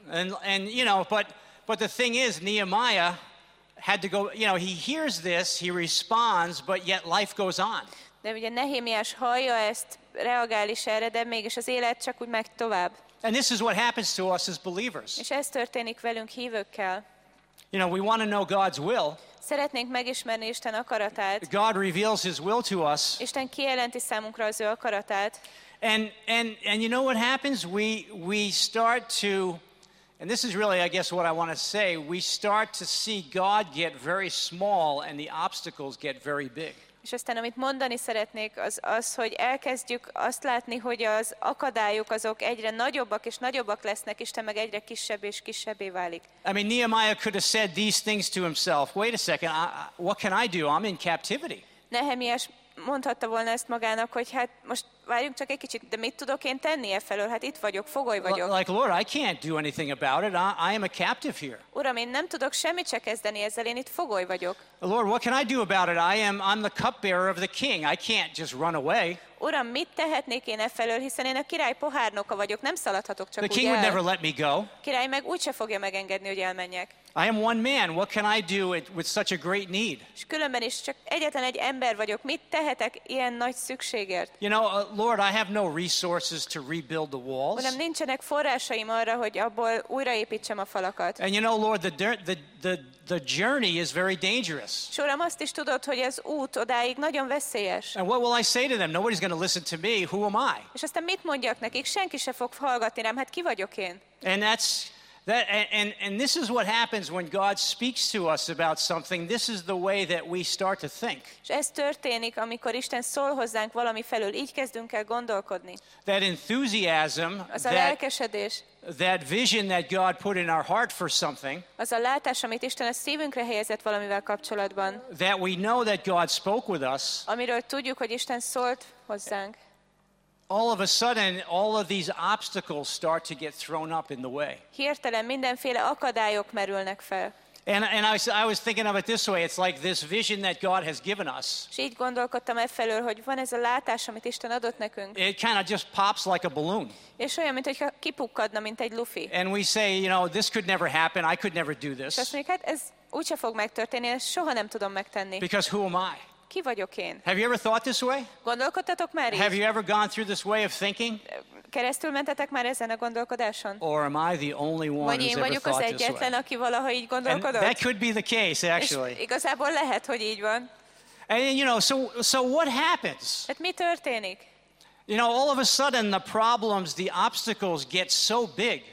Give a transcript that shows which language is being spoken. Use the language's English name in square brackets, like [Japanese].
[English] And you know, but the thing is, Nehemiah had to go, you know, he hears this, he responds, but yet life goes on. [Hungarian] De ugye Nehémiás hallja ezt, reagál is erre, de mégis az élet csak úgy megy tovább. [English] And this is what happens to us as believers. [Hungarian] És ez történik velünk hívőkkel. [English] You know, we want to know God's will. [Hungarian] Szeretnénk megismerni Isten akaratát. [English] God reveals his will to us. [Hungarian] Isten kijelenti számunkra az ő akaratát. [English] And you know what happens? We start to, and this is really, I guess, what I want to say, we start to see God get very small and the obstacles get very big. [Hungarian] És aztán, amit mondani szeretnék, az, hogy elkezdjük azt látni, hogy az akadályok azok egyre nagyobbak és nagyobbak lesznek, Isten meg egyre kisebb és kisebbé válik. [English] I mean, Nehemiah could have said these things to himself. Wait a second, what can I do? I'm in captivity. [Hungarian] Nehemiás mondhatta volna ezt magának, hogy hát most várjunk csak egy kicsit, de mit tudok én tenni e felől? Hát itt vagyok, fogoly vagyok. [English] Like, Lord, I can't do anything about it. I am a captive here. [Hungarian] Uram, én nem tudok semmit se kezdeni ezzel, én itt fogoly vagyok. [English] Lord, what can I do about it? I'm the cupbearer of the king. I can't just run away. [Hungarian] Uram, mit tehetnék én e felől, hiszen én a király pohárnoka vagyok, nem szaladhatok csak úgy el. [English] The king would never let me go. [Hungarian] Király meg úgyse fogja megengedni, hogy elmenjek. [English] I am one man. What can I do with such a great need? [Hungarian] És különben is csak egyetlen egy ember vagyok. Mit tehetek ilyen nagy szükségért? [English] You know, Lord, I have no resources to rebuild the walls. [Hungarian] Uram, nincsenek forrásaim arra, hogy abból újraépítsem a falakat. [English] And you know, Lord, the journey is very dangerous. [Hungarian] És uram, azt is tudod, hogy ez út odáig nagyon veszélyes. [English] And what will I say to them? Nobody's going to listen to me. Who am I? [Hungarian] És aztán mit mondjak nekik? Senki se fog hallgatni rám. Hát ki vagyok én? [English] And that's that, and this is what happens when God speaks to us about something. This is the way that we start to think. [Hungarian] És ez történik, amikor Isten szól hozzánk valami felől, így kezdünk el gondolkodni. [English] That enthusiasm, [Hungarian] az a lelkesedés, [English] that vision that God put in our heart for something, [Hungarian] az a látás, amit Isten a szívünkre helyezett valamivel kapcsolatban, [English] that we know that God spoke with us, [Hungarian] amiről tudjuk, hogy Isten szólt hozzánk. [English] All of a sudden, all of these obstacles start to get thrown up in the way. [Hungarian] Hirtelen mindenféle akadályok merülnek fel. [English] And I was thinking of it this way. It's like this vision that God has given us. [Hungarian] És így gondolkodtam efelől, hogy van ez a látás, amit Isten adott nekünk. [English] It kind of just pops like a balloon. [Hungarian] És olyan, mint hogyha kipukkadna, mint egy lufi. [English] And we say, you know, this could never happen. I could never do this. [Hungarian] És azt mondjuk, hát ez úgyse fog megtörténni, ezt soha nem tudom megtenni. [English] Because who am I? [Hungarian] Ki vagyok én? [English] Have you ever thought this way? [Hungarian] Gondolkodtatok már így? [English] Have you ever gone through this way of thinking? [Hungarian] Keresztül mentetek már ezen a gondolkodáson? [English] Or am I the only one thought this way? [Hungarian] Vagy én vagyok az egyetlen, aki valaha így gondolkodott? [English] That could be the case, actually. [Hungarian] És igazából lehet, hogy így van. [English] And you know, so what happens? [Hungarian] Hát mi történik? [English] You know, all of a sudden the problems, the obstacles get so big.